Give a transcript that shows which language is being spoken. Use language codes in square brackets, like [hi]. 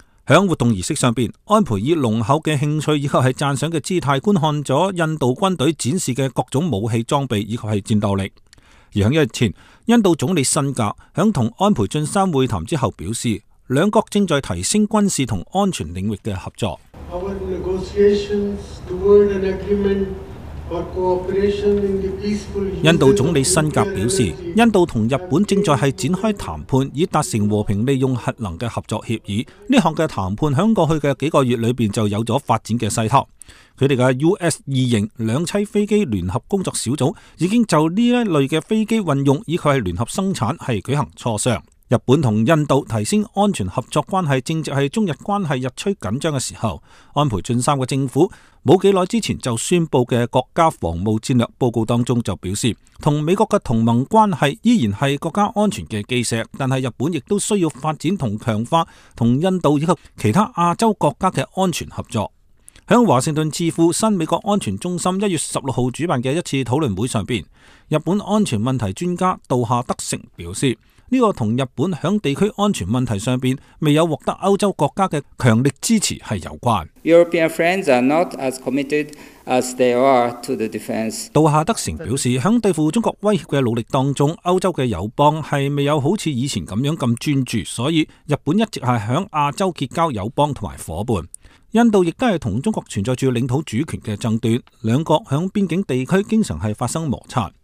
[zh] 在活动仪式上，安倍以浓厚的兴趣以及赞赏的姿态观看了印度军队展示的各种武器装备以及战斗力。而在一日前，印度总理辛格在与安倍晋三会谈之后表示，两国正在提升军事和安全领域的合作。 [en] Our negotiations toward an agreement for cooperation in the peaceful use of. [zh] 印度总理辛格表示，印度和日本正在展开谈判，以达成和平利用核能的合作协议。这项的谈判在过去的几个月里面就有了发展的势头。他们的 US 二型两栖飞机联合工作小组已经就这一类的飞机运用以及联合生产是举行磋商。日本和印度提升安全合作关系正值是中日关系日趋紧张的时候，安倍晋三的政府没几久之前就宣布的国家防务战略报告当中就表示，和美国的同盟关系依然是国家安全的基石，但是日本亦都需要发展和强化和印度以及其他亚洲国家的安全合作。在华盛顿智库新美国安全中心1月16号主办的一次讨论会上，日本安全问题专家道下德成表示，这个和日本在地区安全问题上面未有获得欧洲国家的强力支持是有关。 [en] European friends are not as committed as they are to the defense. [zh] 杜夏德成表示，在对付中国威胁的努力当中，欧洲的友邦是未有好像以前这样那么专注，所以日本一直是在亚洲结交友邦和伙伴。印度亦都是和中国存在着领土主权的争端，两国在边境地区经常是发生摩擦。